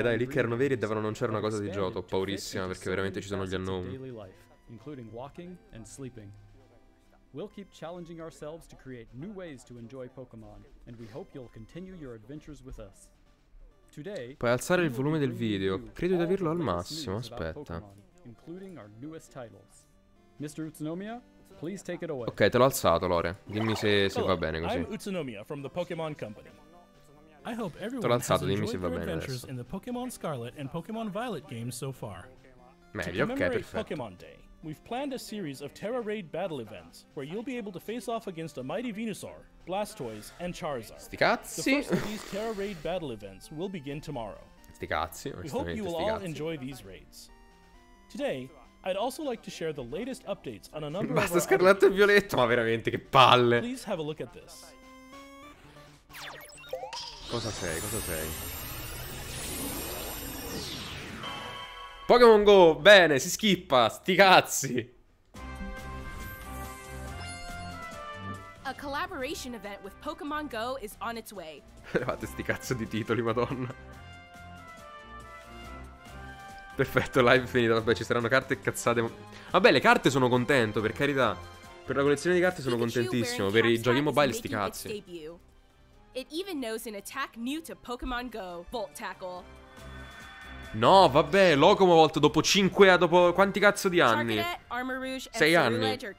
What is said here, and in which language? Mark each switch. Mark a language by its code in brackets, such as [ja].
[it] dai, lì che erano veri e davvero non c'era una cosa di Johto, paurissima, perché veramente ci sono gli annomi. [en] Including walking and sleeping. We'll keep challenging ourselves to create new ways to enjoy Pokémon, and we hope you'll continue your adventures with us. [it] Today, puoi alzare il volume del video. Credo di averlo al massimo, aspetta. [en] Including our newest titles. Mr. Utsunomiya, please take it away. [it] Ok, te l'ho alzato, Lore. Dimmi se va bene così. [en] I'm Utsunomiya from the Pokémon Company. I hope everyone has enjoyed their adventures in the Pokémon Scarlet and Pokémon Violet games so far. [it] Meglio, ok, perfetto. [en] To commemorate Pokémon Day, we've planned a series of Terra Raid battle events where you'll be able to face off against a mighty Venusaur, Blastoise, and Charizard. [it] Sti cazzi! [en] The first of these Terra Raid battle events will begin tomorrow. [it] Sti cazzi, [en] we hope you will all enjoy these raids. Today, I'd also like to share the latest updates on a number [it] basta [en] of our [it] Scarlatto e Violetto, ma veramente, che palle! [en] Please have a look at this. [it] Cosa sei? Cosa sei? Pokémon Go, bene, si skippa, sti cazzi. [en] A collaboration event with Pokémon Go is on its way. [it] Levate sti cazzo di titoli, madonna. Perfetto, live finito. Vabbè, ci saranno carte e cazzate. Vabbè, le carte sono contento, per carità. Per la collezione di carte sono contentissimo. Per i giochi mobile, sti cazzi. [en] It even knows an attack new to Pokémon Go, Volt Tackle. [it] No, vabbè, Locomo volta dopo 5 a dopo quanti cazzo di anni? 6 anni.